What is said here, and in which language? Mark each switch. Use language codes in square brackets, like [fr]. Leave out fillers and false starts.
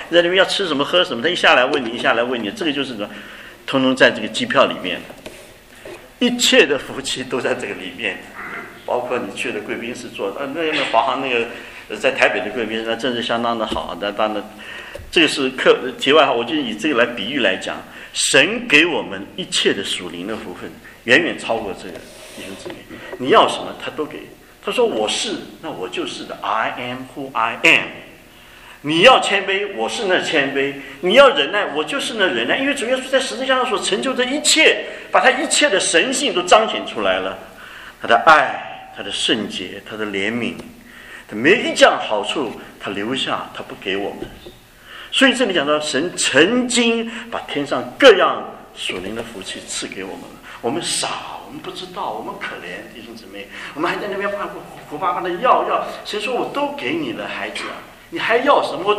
[zh] 在里面要吃什么喝什么，他一下来问你，这个就是什么，通通在这个机票里面，一切的福气都在这个里面，包括你去的贵宾室坐，那华航那个。在台北的贵宾室，那真是相当的好。那当然，这个是题外话，我就以这个来比喻来讲，神给我们一切的属灵的福分，远远超过这个弟兄姊妹。你要什么，他都给。他说我是，那我就是的 ， [en] I am who I am。 [zh] 你要谦卑，我是那谦卑；你要忍耐，我就是那忍耐。因为主耶稣在十字架上所成就的一切，把他一切的神性都彰显出来了，他的爱，他的圣洁，他的怜悯。每一项好处他留下，他不给我们。所以这里讲到神曾经把天上各样属灵的福气赐给我们了，我们傻，我们不知道，我们可怜弟兄姊妹，我们还在那边苦巴巴的要，神说我都给你了，孩子，你还要什么？